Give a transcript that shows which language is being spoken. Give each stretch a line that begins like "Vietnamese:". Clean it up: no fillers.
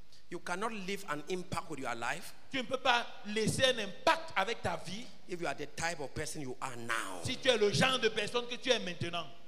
English: You cannot leave an impact with your life.
French: Tu ne peux pas laisser un impact avec ta vie.
English: If you are the type of person you are now.
French: Si tu es le genre de personne que tu es maintenant.